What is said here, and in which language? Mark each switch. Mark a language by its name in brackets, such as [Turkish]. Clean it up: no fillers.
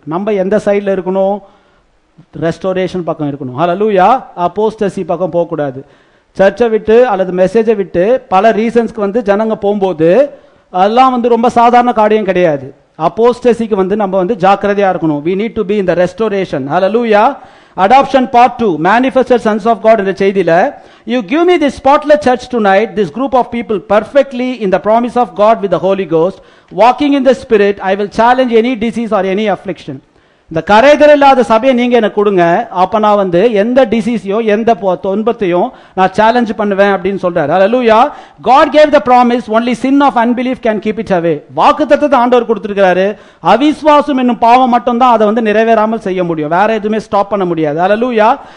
[Tamil] நம்ம எந்த சைட்ல இருக்கணும்? ரெஸ்டோரேஷன் பக்கம் இருக்கணும். ஹல்லேலூயா. அப்போஸ்டசி பக்கம் போக கூடாது. சர்ச்சை விட்டு அல்லது மெசேஜை விட்டு பல ரீசன்ஸ்க்கு வந்து ஜனங்க போகும்போது அதெல்லாம் வந்து ரொம்ப சாதாரண காரியம் கிடையாது. அப்போஸ்டசிக்கு வந்து நம்ம வந்து ஜாக்கிரதையா இருக்கணும். [English] We need to be in the restoration. Hallelujah. Adoption part 2, manifested sons of God. In the Chaidila, you give me this spotless church tonight, this group of people perfectly in the promise of God with the Holy Ghost, walking in the Spirit, I will challenge any disease or any affliction. [Tamil] இந்த கரைதர் இல்லாத சபையை நீங்க எனக்கு கொடுங்க, அப்ப நான் வந்து எந்த டிசீஸையும் எந்த துன்பத்தையும் நான் சேலஞ்ச் பண்ணுவேன் அப்படின்னு சொல்றாரு. ஹல்லேலூயா. [English] God gave the promise, only sin of unbelief can keep it away. [Tamil] வாக்கு தத்தத்தை ஆண்டவர் கொடுத்திருக்கிறாரு, அவிஸ்வாசம் என்னும் பாவம் மட்டும்தான் அதை வந்து நிறைவேறாமல் செய்ய முடியும், வேற எதுவுமே ஸ்டாப் பண்ண முடியாது. ஹல்லேலூயா.